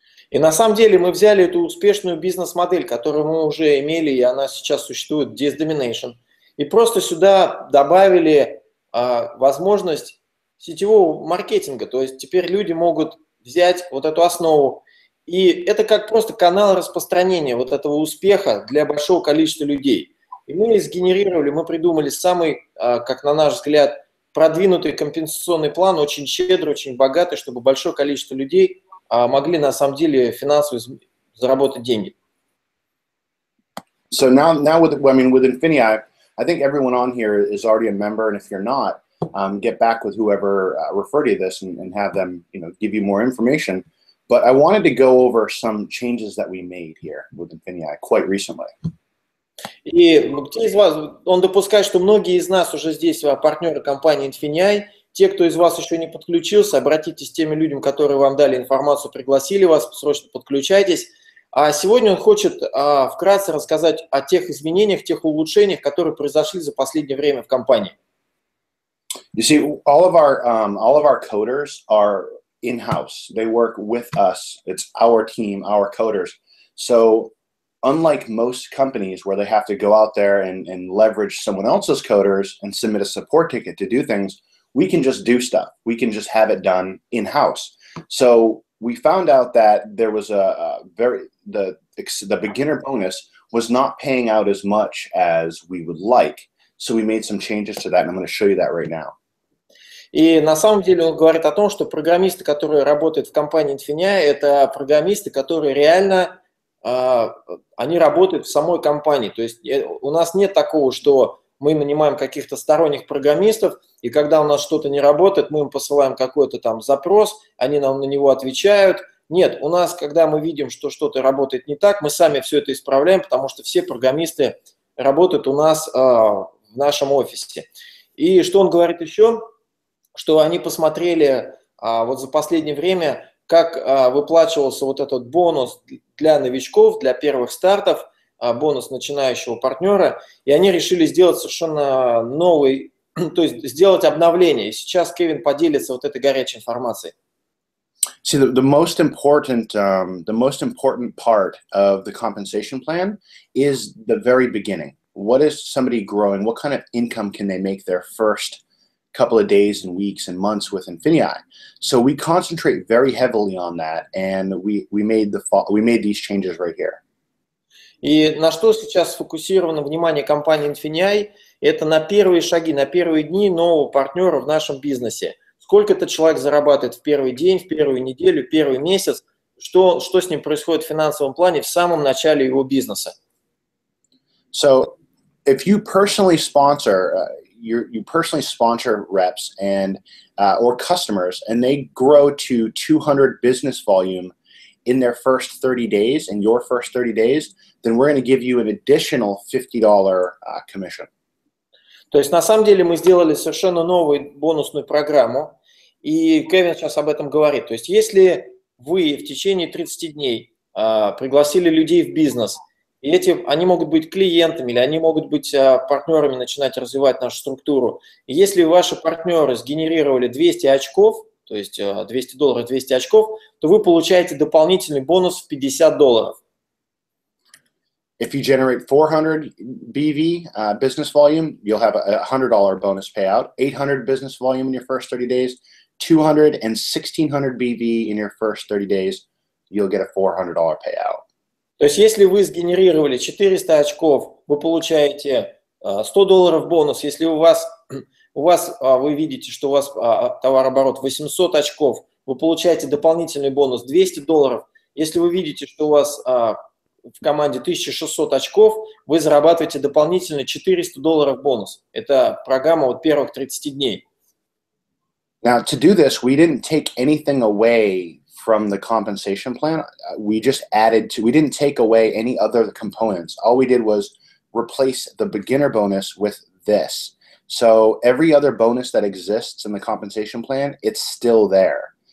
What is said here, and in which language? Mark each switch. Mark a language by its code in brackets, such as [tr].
[ru] И на самом деле мы взяли эту успешную бизнес-модель, которую мы уже имели, и она сейчас существует, DS Domination, и просто сюда добавили возможность сетевого маркетинга. То есть теперь люди могут взять вот эту основу. И это как просто канал распространения вот этого успеха для большого количества людей. И мы сгенерировали, мы придумали самый, как на наш взгляд, продвинутый компенсационный план, очень щедрый, очень богатый, чтобы большое количество людей могли на самом деле финансово заработать деньги. [en] So now with, I mean, with Infinii, I think everyone on here is already a member, and if you're not, get back with whoever referred you this and have them, you know, give you more information. But I wanted to go over some changes that we made here with Infinii quite recently. [ru] И те из вас, он допускает, что многие из нас уже здесь партнеры компании Infinii. Те, кто из вас еще не подключился, обратитесь к теми людям, которые вам дали информацию, пригласили вас, срочно подключайтесь. А сегодня он хочет вкратце рассказать о тех изменениях, тех улучшениях, которые произошли за последнее время в компании. [en] You see, all of our coders are in-house. They work with us. It's our team, our coders. So unlike most companies where they have to go out there and leverage someone else's coders and submit a support ticket to do things, we can just do stuff. We can just have it done in-house. So we found out that there was a very the beginner bonus was not paying out as much as we would like. So we made some changes to that, and I'm going to show you that right now. [ru] И на самом деле он говорит о том, что программисты, которые работают в компании Infinii, это программисты, которые реально они работают в самой компании. То есть у нас нет такого, что мы нанимаем каких-то сторонних программистов, и когда у нас что-то не работает, мы им посылаем какой-то там запрос, они нам на него отвечают. Нет, у нас, когда мы видим, что что-то работает не так, мы сами все это исправляем, потому что все программисты работают у нас в нашем офисе. И что он говорит еще? Что они посмотрели вот за последнее время, как выплачивался вот этот бонус для новичков, для первых стартов, бонус начинающего партнера, и они решили сделать совершенно новый, то есть сделать обновление. И сейчас Кевин поделится вот этой горячей информацией. [en] See, the most important part of the compensation plan is the very beginning. What is somebody growing? What kind of income can they make their first couple of days and weeks and months with Infinii? So we concentrate very heavily on that, and we made these changes right here. [ru] И на что сейчас сфокусировано внимание компании Infinii, это на первые шаги, на первые дни нового партнера в нашем бизнесе. Сколько этот человек зарабатывает в первый день, в первую неделю, в первый месяц, что с ним происходит в финансовом плане в самом начале его бизнеса. [en] So if you personally sponsor, you personally sponsor reps and or customers, and they grow to 200 business volume in their first 30 days, in your first 30 days, then we're going to give you an additional $50 commission. [ru] То есть на самом деле мы сделали совершенно новую бонусную программу, и Кевин сейчас об этом говорит. То есть если вы в течение 30 дней пригласили людей в бизнес, и эти, они могут быть клиентами, или они могут быть партнерами, начинать развивать нашу структуру. И если ваши партнеры сгенерировали 200 очков, то есть $200, 200 очков, то вы получаете дополнительный бонус в $50. [en] If you generate 400 BV business volume, you'll have a $100 bonus payout. 800 business volume in your first 30 days, 200 and 1600 BV in your first 30 days, you'll get a $400 payout. [ru] То есть если вы сгенерировали 400 очков, вы получаете $100 бонус. Если вы видите, что у вас товарооборот 800 очков, вы получаете дополнительный бонус $200. Если вы видите, что у вас в команде 1600 очков, вы зарабатываете дополнительно $400 бонус. Это программа вот первых 30 дней. [en] Now, to do this, we didn't take anything away from the compensation plan. We didn't take away any other components. All we did was replace the beginner bonus with this. So every other bonus that exists in the compensation plan, it's still there.